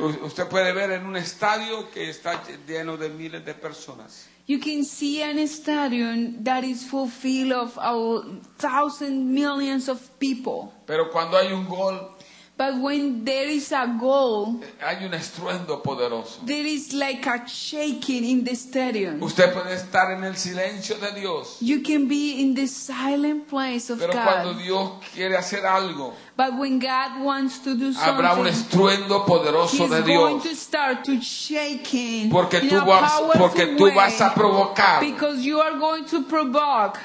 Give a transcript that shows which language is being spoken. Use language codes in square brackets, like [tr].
[es] Usted puede ver en un estadio que está lleno de miles de personas. [en] You can see an stadium that is fulfilled of thousands, millions of people. [es] Pero cuando hay un gol, [en] but when there is a goal, [es] hay un estruendo poderoso. [en] There is like a shaking in the stadium. [es] Usted puede estar en el silencio de Dios. [en] You can be in the silent place of [es] God. Pero cuando Dios quiere hacer algo, [en] but when God wants to do something, [es] habrá un estruendo poderoso de Dios. [en] He's going to start to shaking. [es] Porque tú vas a provocar. [en] Because you are going to provoke.